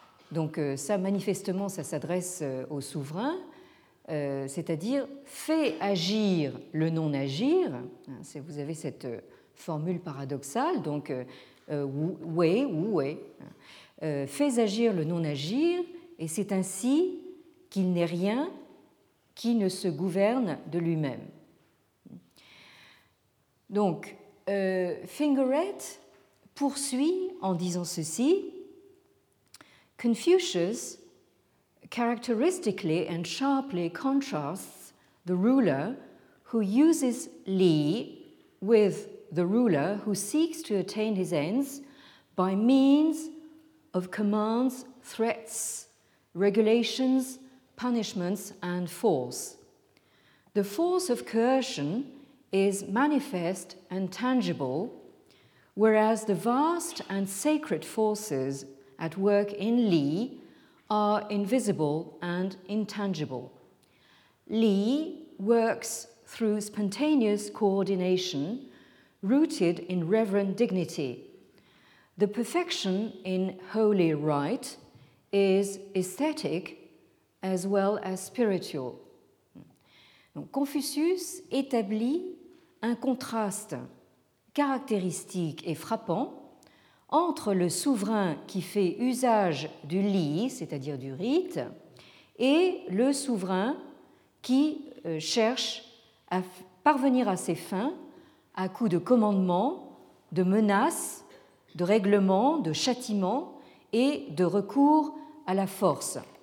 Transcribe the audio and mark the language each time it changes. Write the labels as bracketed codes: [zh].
[fr] Donc ça, manifestement, ça s'adresse au souverain, c'est-à-dire fait agir le non-agir. Vous avez cette formule paradoxale, donc Wei Wu Wei, fait agir le non-agir, et c'est ainsi qu'il n'est rien qui ne se gouverne de lui-même. Donc Fingeret poursuit en disant ceci: [en] Confucius characteristically and sharply contrasts the ruler who uses Li with the ruler who seeks to attain his ends by means of commands, threats, regulations, punishments, and force. The force of coercion is manifest and tangible, whereas the vast and sacred forces at work in Li are invisible and intangible. Li works through spontaneous coordination rooted in reverent dignity. The perfection in holy right is aesthetic as well as spiritual. [fr] Donc, Confucius établit un contraste caractéristique et frappant entre le souverain qui fait usage du li, c'est-à-dire du rite, et le souverain qui cherche à parvenir à ses fins à coups de commandements, de menaces, de règlements, de châtiments et de recours à la force.